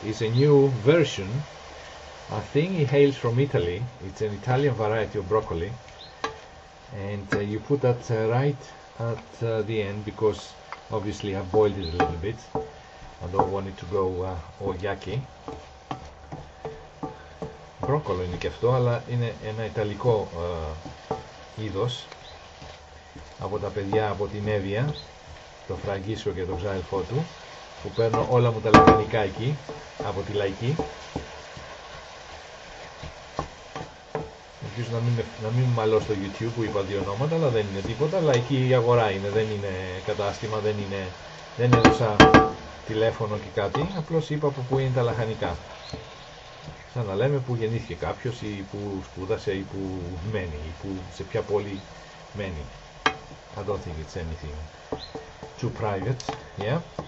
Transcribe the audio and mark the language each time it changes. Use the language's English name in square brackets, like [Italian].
[English] It's a new version. I think it hails from Italy. It's an Italian variety of broccoli, and you put that right at the end, because obviously I boiled it a little bit. I don't want it to go all yucky. [Greek] Μπρόκολο είναι και αυτό, αλλά είναι ένα ιταλικό είδος από τα παιδιά από την Εύβοια, το Φραγκίσκο και τον ξάδελφό του, που παίρνω όλα μου τα λαϊκά εκεί, από τη λαϊκή. Ελπίζω να μην μαλώ στο YouTube που είπα δύο ονόματα, αλλά δεν είναι τίποτα, λαϊκή αγορά είναι, δεν είναι κατάστημα, δεν έδωσα τηλέφωνο και κάτι, απλώς είπα από πού είναι τα λαχανικά. Σαν να λέμε που γεννήθηκε κάποιος ή που σπούδασε ή που μένει ή που σε ποια πόλη μένει. [English] I don't think it's anything too private, yeah.